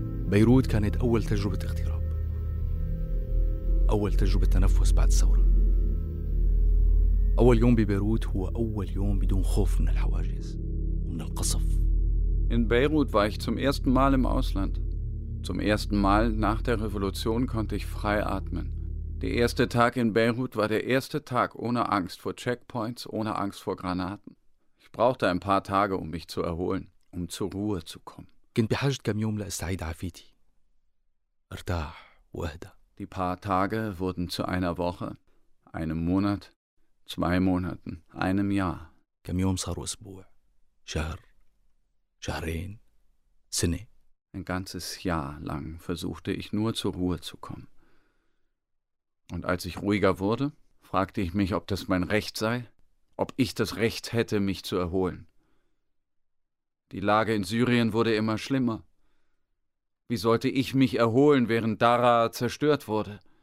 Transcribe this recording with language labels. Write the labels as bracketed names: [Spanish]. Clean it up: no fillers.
[Arabic] بيروت كانت أول تجربة اغتراب، أول تجربة تنفس بعد الثورة. أول يوم ببيروت هو أول يوم بدون خوف من الحواجز ومن القصف. [German] In Beirut war ich zum ersten Mal im Ausland. Zum ersten Mal nach der Revolution konnte ich frei atmen. Der erste Tag in Beirut war der erste Tag ohne Angst vor Checkpoints, ohne Angst vor Granaten. Ich brauchte ein paar Tage, um mich zu erholen, um zur Ruhe zu kommen. [Arabic] كنت بحاجة كم يوم لأستعيد عافيتي. أرتاح وأهدى. [German] Die paar Tage wurden zu einer Woche, einem Monat, zwei Monaten, einem Jahr. [Arabic] كم يوم صاروا أسبوع، شهر، شهرين. [German] Sinne. Ein ganzes Jahr lang versuchte ich nur zur Ruhe zu kommen. Und als ich ruhiger wurde, fragte ich mich, ob das mein Recht sei, ob ich das Recht hätte, mich zu erholen. Die Lage in Syrien wurde immer schlimmer. Wie sollte ich mich erholen, während Daraa zerstört wurde?